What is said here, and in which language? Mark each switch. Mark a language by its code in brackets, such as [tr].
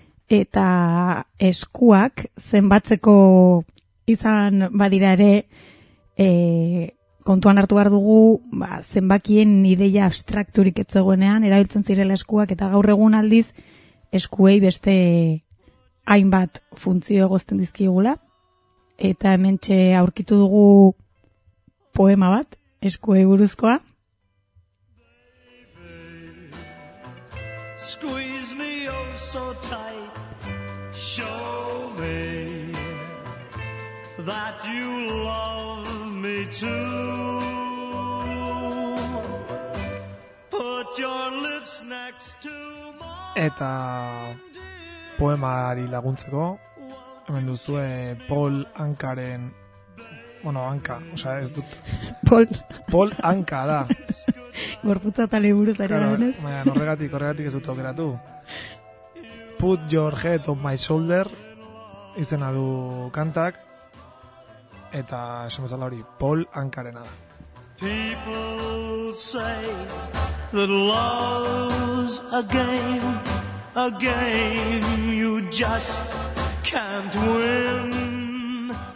[eu] eta eskuak zenbatzeko izan badira ere, kontuan hartu behar dugu, ba, zenbakien ideia abstrakturik etzegoenean, erabiltzen zirela eskuak, eta gaur egun aldiz, eskuei beste hainbat funtzio egozten dizkigula, eta hementxe aurkitu dugu poema bat, eskuei buruzkoa. [en] Squeeze me oh so tight, show me that you love me too, put your lips next to my. [eu] Eta poemari laguntzeko hemen duzue Paul Ankaren, bueno, Anka, osea ez dut Paul Anka da. Gorputza eta liburu zari garenez. Baina, horregatik ez dut aukeratu. Put your head on my shoulder izena du kantak, eta esan bezala hori, Paul Ankarena da. [en] People say that love's a game you just can't win.